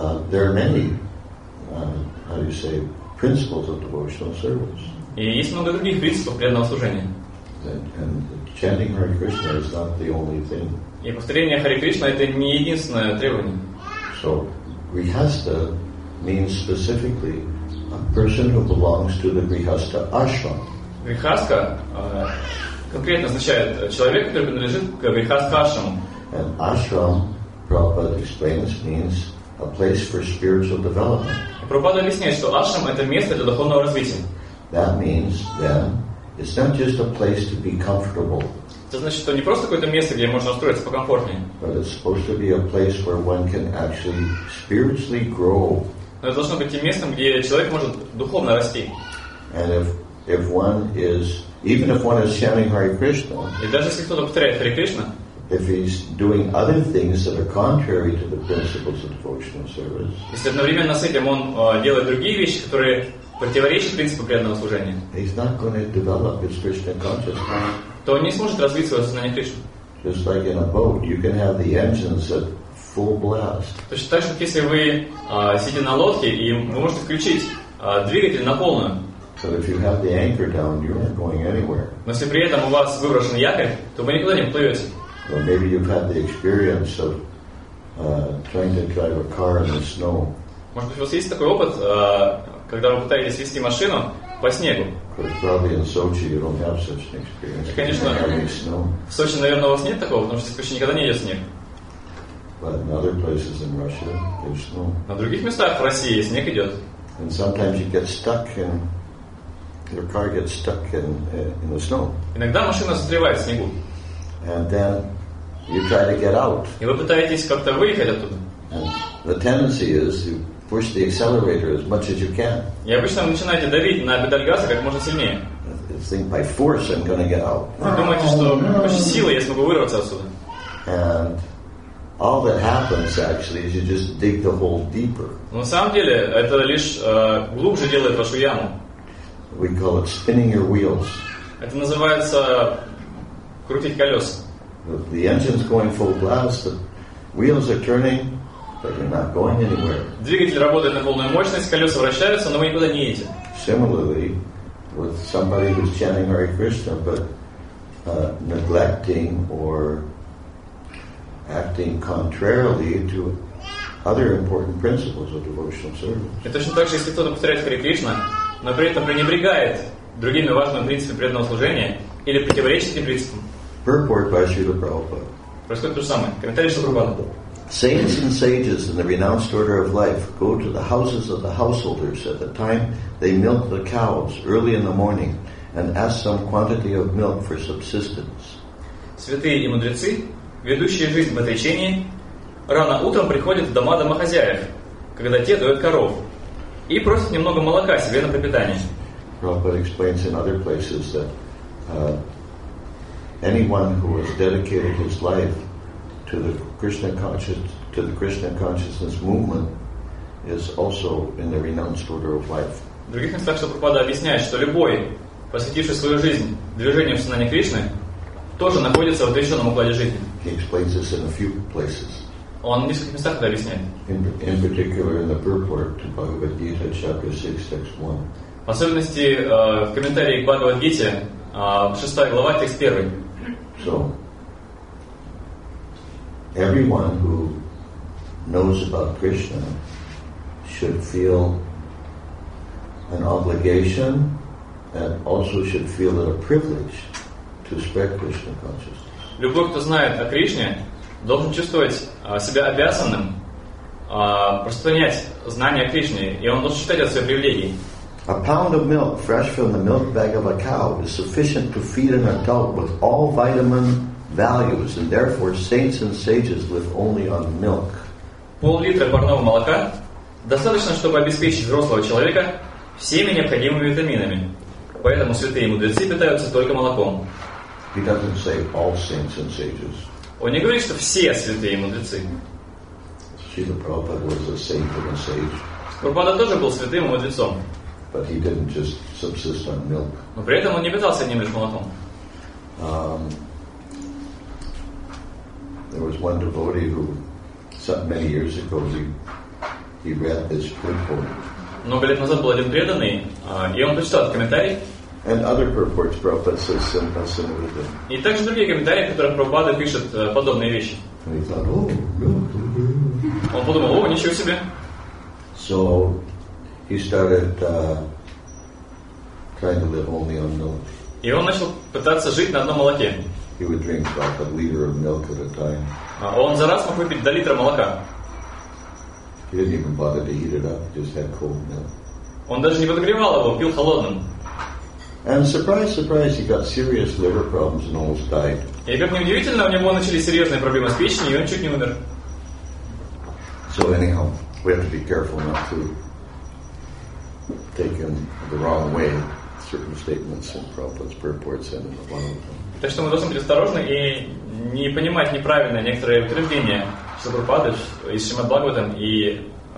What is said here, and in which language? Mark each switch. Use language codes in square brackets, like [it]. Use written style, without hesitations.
[en] There are many, how do you say, principles of devotional service. [ru] И есть много других принципов преданного служения. [en] And chanting Hare Krishna is not the only thing. [ru] И повторение Hare Krishna — это не единственное требование. [en] So, grihastha means specifically a person who belongs to the grihastha ashram. [ru] Grihastha конкретно означает человек, который принадлежит к grihastha ashram. [en] And ashram, Prabhupada explains, means a place for spiritual development. [ru] Прабхупада объясняет, что ашрам — это место для духовного развития. [en] That means, then, it's not just a place to be comfortable. [ru] Это значит, что не просто какое-то место, где можно устроиться покомфортнее. [en] But it's supposed to be a place where one can actually spiritually grow. [ru] Но это должно быть тем местом, где человек может духовно расти. [en] And if one is, even if one is chanting Hare Krishna, [ru] и даже если кто-то повторяет Hare Krishna, [en] if he's doing other things that are contrary to the principles of devotional service, [ru] если одновременно с этим он делает другие вещи, которые противоречат принципу преданного служения, [en] he's not going to develop his Krishna consciousness. [ru] То он не сможет развить свое сознание Кришны. [en] Just like in a boat, you can have the engines at full blast. [ru] Точно так же, как если вы сидите на лодке и вы можете включить двигатель на полную. [en] But if you have the anchor down, you aren't going anywhere. [ru] Но если при этом у вас выброшен якорь, то вы никуда не плывете. [en] Or maybe you've had the experience of trying to drive a car in the snow. [ru] Может быть, у вас есть такой опыт, когда вы пытаетесь вести машину по снегу? [en] Because probably in Sochi you don't have such an experience. [ru] Конечно. [en] Snow. [ru] В Сочи, наверное, у вас нет такого, потому что здесь почти никогда не идет снег. [en] But in other places in Russia there's snow. [ru] На других местах в России снег идет. [en] And sometimes you get stuck in your car gets stuck in the snow. [ru] Иногда машина застревает в снегу. [en] And then you try to get out. [ru] И вы пытаетесь как-то выехать оттуда. [en] And the tendency is you push the accelerator as much as you can. [ru] И обычно вы начинаете давить на педаль газа как можно сильнее. [en] You think by force I'm going to get out. [ru] Вы думаете, что очень силой я смогу вырваться отсюда. [en] And all that happens actually is you just dig the hole deeper. [ru] Но на самом деле это лишь глубже делает вашу яму. [en] We call it spinning your wheels. [ru] Это называется крутить колеса. [en] The engine's going full blast, the wheels are turning, but you're not going anywhere. [ru] Двигатель работает на полную мощность, колеса вращаются, но вы никуда не едете. [en] Similarly, with somebody who's chanting Hare Krishna, but neglecting or acting contrarily to other important principles of devotional service. [ru] И точно так же, если кто-то повторяет Hare Krishna, но при этом пренебрегает другими важными принципами преданного служения или противоречит этим принципам. [en] Purport by Srila Prabhupada. Saints and sages in the renounced order of life go to the houses of the householders at the time they milk the cows early in the morning and ask some quantity of milk for subsistence. [ru] Святые и мудрецы, ведущие жизнь в отречении, рано утром приходят в дома домохозяев, когда те дают коров, и просят немного молока себе на пропитание. [en] Prabhupada explains in other places that anyone who has dedicated his life to the Krishna consciousness movement is also in the renounced order of life. [ru] В других местах Шрупада объясняет, что любой, посвятивший свою жизнь движению в сознании Кришны, тоже находится в отреченном укладе жизни. [en] he explains this in a few places. [ru] Он в нескольких местах это объясняет. [en] In particular, in the purport to Bhagavad Gita, chapter 6, text 1. [ru] В особенности в комментарии к Бхагавад Гите, 6 глава, текст 1. [en] So, everyone who knows about Krishna should feel an obligation and also should feel it a privilege to spread Krishna consciousness. [ru] Любой, кто знает о Кришне, должен чувствовать себя обязанным распространять знания о Кришне, и он должен считать это своей привилегией. [en] A pound of milk fresh from the milk bag of a cow is sufficient to feed an adult with all vitamin values, and therefore saints and sages live only on milk. [ru] Пол-литра парного молока достаточно, чтобы обеспечить взрослого человека всеми необходимыми витаминами. Поэтому святые мудрецы питаются только молоком. [en] He doesn't say all saints and sages. [ru] Он не говорит, что все святые мудрецы. [en] Srila Prabhupada was a saint and a sage. [ru] Прабхупада тоже был святым мудрецом. [en] But he didn't just subsist on milk. [ru] Но при этом он не питался одним лишь молоком. [en] There was one devotee who, some many years ago, he read this purport. [ru] Много лет назад был один преданный, и он прочитал этот комментарий. [en] And other purports, Prabhupada says similar thing. [ru] И также другие комментарии, в которых Прабхупада пишет подобные вещи. [en] And he thought, oh, milk. [ru] Он подумал, о, ничего себе. [en] So. He started trying to live only on milk. [ru] И он начал пытаться жить на одном молоке. [en] He would drink about a liter of milk at a time. [ru] Он за раз мог выпить до литра молока. [en] He didn't even bother to heat it up; he just had cold milk. [ru] Он даже не подогревал его, пил холодным. [en] And surprise, surprise, he got serious liver problems and almost died. [ru] И как ни удивительно, у него начались серьезные проблемы с печенью, и он чуть не умер. [en] So anyhow, we have to be careful not to taken the wrong way certain statements in Prabhupada's purports and in the Bhagavatam. [ru] Так что мы должны быть осторожны и не понимать неправильно некоторые утверждения, что Прабхупада из Шримад Бхагаватам и